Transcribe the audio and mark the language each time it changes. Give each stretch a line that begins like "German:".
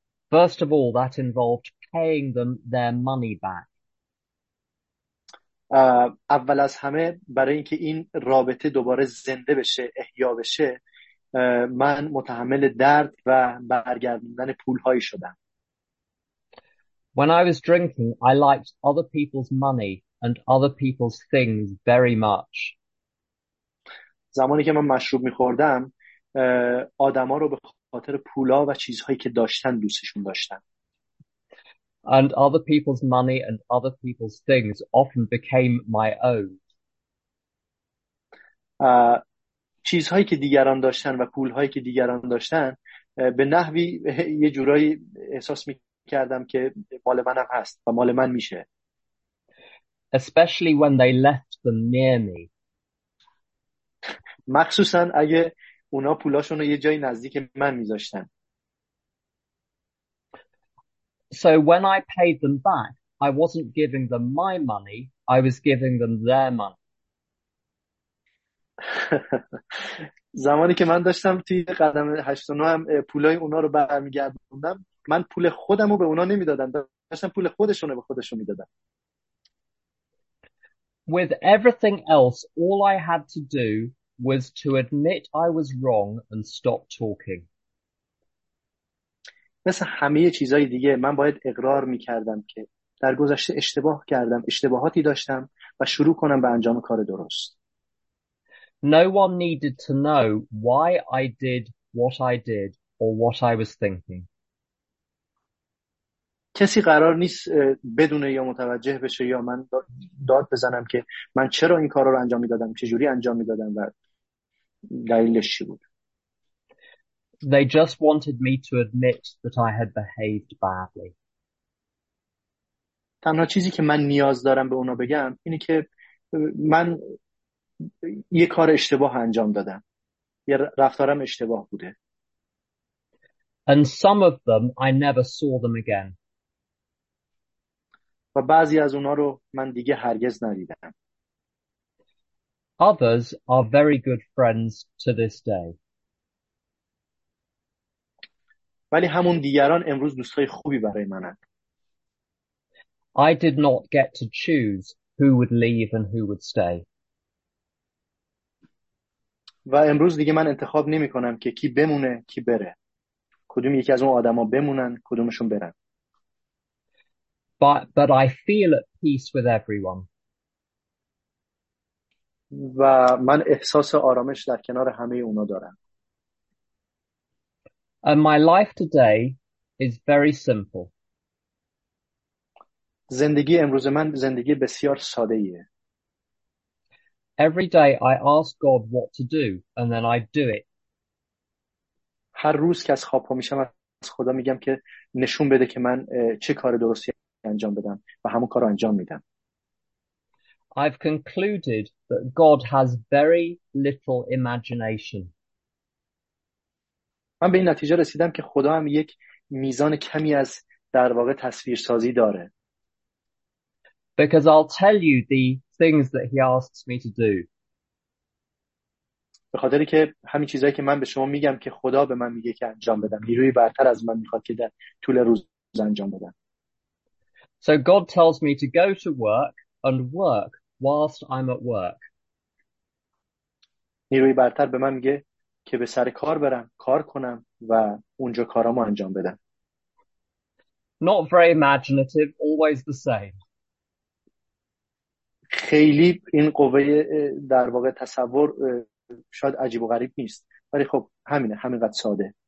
English: First of all, that involved paying them their money back.
Persian: اول از همه برای اینکه این رابطه دوباره زنده بشه، احیا بشه، من متحمل درد و برگردوندن پول‌هایی شدم.
English: When I was drinking, I liked other people's money and other people's things very much.
Persian: زمانی که من مشروب می‌خوردم، آدما رو به خاطر پولا و چیزهایی که داشتن دوستشون داشتم.
English: And other people's money and other people's things often became my own.
Persian: چیزهایی که دیگران داشتن و پولهایی که دیگران داشتن به نحوی یه جورایی احساس می‌کردم که مال منم هست و مال من میشه.
English: Especially when they left them near me.
Persian: مخصوصا اگه اونا پولاشون رو یه جای نزدیک من میذاشتن.
English: So when I paid them back, I wasn't giving them my money, I was giving them their money.
Persian: زمانی که من داشتم توی قدم 89 هم پولای اونا رو برمیگردوندم، من پول خودم رو به اونا نمیدادم، داشتم پول خودشون رو به خودشون میدادم.
English: With everything else, all I had to do was to admit I was wrong and stop talking.
Persian: مثل همه چیزای دیگه من باید اقرار میکردم که در گذشته اشتباه کردم، اشتباهاتی داشتم و شروع کنم به انجام کار درست.
English: No one needed to know why I did what I did or what I was thinking.
Persian: کسی قرار نیست بدونه یا متوجه بشه یا من داد بزنم که من چرا این کار رو انجام میدادم، چجوری انجام میدادم و دلیلش چی بود.
English: They just wanted me to admit that I had behaved badly.
Persian: تنها چیزی که من نیاز دارم به اونا بگم اینه که من یه کار اشتباه انجام دادم، یه رفتارم اشتباه بوده.
English: And some of them I never saw them again.
Persian: و بعضی از اونا رو من دیگه هرگز ندیدم.
English: Others are very good friends to this day.
Persian: ولی همون دیگران امروز دوستای خوبی برای من هم.
English: I did not get to choose who would leave and who would stay.
Persian: و امروز دیگه من انتخاب نمی کنم که کی بمونه کی بره. کدوم یکی از اون آدما بمونن کدومشون برن.
English: But I feel at peace with everyone.
Persian: و من احساس آرامش در کنار همه اونا دارم.
English: And my life today is very simple.
Persian: زندگی امروز من زندگی بسیار ساده ایه.
English: Every day I ask God what to do and then I do it.
Persian: هر روز که از خواب پا میشم از خدا میگم که نشون بده که من چه کار درستی انجام بدم و همون کارو انجام میدم.
English: I've concluded that God has very little imagination.
Persian: من به این نتیجه رسیدم که خدا هم یک میزان کمی از در واقع تصویرسازی داره.
English: Because I'll tell you the things that he asks me to do.
Persian: به خاطری که همین چیزایی که من به شما میگم که خدا به من میگه که انجام بدم، نیروی برتر از من میخواد که در طول روز انجام بدم.
English: So God tells me to go to work and work whilst I'm at work.
Persian: نیروی برتر به من میگه که به سر کار برم، کار کنم و اونجا کارامو انجام بدم.
English: Not very imaginative, always the same.
Persian: خیلی این قوه در واقع تصور شاید عجیب و غریب نیست، ولی خب همینه، همینقدر ساده.